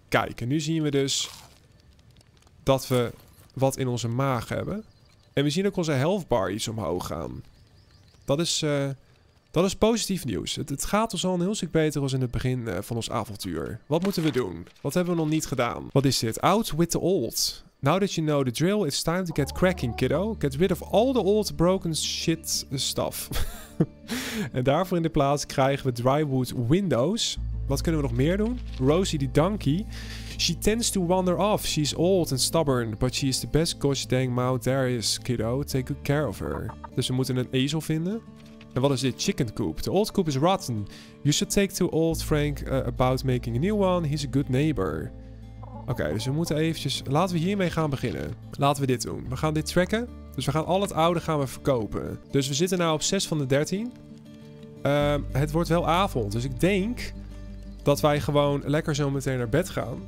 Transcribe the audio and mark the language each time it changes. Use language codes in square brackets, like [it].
[nl] Kijk, en nu zien we dus dat we wat in onze maag hebben. En we zien ook onze health bar iets omhoog gaan. Dat is positief nieuws. Het gaat ons al een heel stuk beter als in het begin van ons avontuur. Wat moeten we doen? Wat hebben we nog niet gedaan? Wat is dit? [en] Out with the old. Now that you know the drill, it's time to get cracking, kiddo. Get rid of all the old broken shit stuff. [nl] En daarvoor in de plaats krijgen we drywood windows. Wat kunnen we nog meer doen? [en] Rosie the donkey. She tends to wander off. She's old and stubborn. But she is the best gosh dang mount there is, kiddo. Take good care of her. [nl] Dus we moeten een ezel vinden. En wat is dit? [en] Chicken coop. The old coop is rotten. You should take to old Frank about making a new one. He's a good neighbor. [nl] Oké, dus we moeten eventjes... Laten we hiermee gaan beginnen. Laten we dit doen. We gaan dit tracken. Dus we gaan al het oude gaan we verkopen. Dus we zitten nu op 6 van de 13. Het wordt wel avond. Dus ik denk dat wij gewoon lekker zo meteen naar bed gaan.